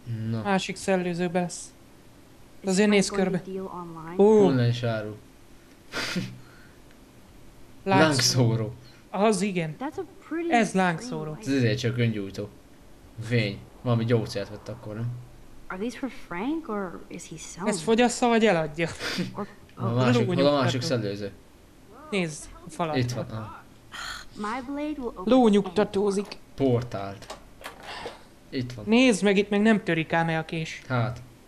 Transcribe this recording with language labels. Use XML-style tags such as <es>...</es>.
<hu>Na. Másik szellőzőbe lesz. Azért néz körbe. Ó. Online sáru. Lángszóró. Az igen. Ez lángszóró. Ez azért csak öngyújtó. Vény. Valami gyógyszert vett akkor, nem?</hu> <en>Are these for Frank or is he selling?</en> <hu>Ez fogyassza vagy eladja? A másik szellőző. Nézd, a falat. Itt van. Lónyugtatózik. Portált. Itt van. Nézd meg, itt meg nem törik ám a kés. Hát.</hu>